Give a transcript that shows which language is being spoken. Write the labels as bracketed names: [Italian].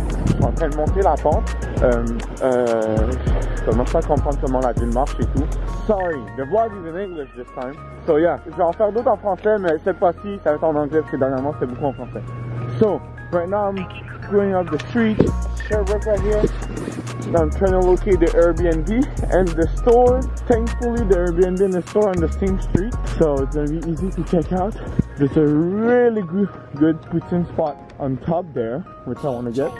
[French] Je suis en train de monter la pente. Je commence à comprendre comment la ville marche et tout. [English] Sorry, the vlog is in English this time. So yeah, [French] je vais en faire d'autres en français, mais cette fois-ci, ça va être en anglais, parce que dernièrement, c'est beaucoup en français. [English] So, right now, I'm going up the street. Sherbrooke right here. I'm trying to locate the Airbnb and the store. Thankfully, the Airbnb and the store are on the same street, so it's gonna be easy to check out. There's a really good poutine spot on top there, which I want to get.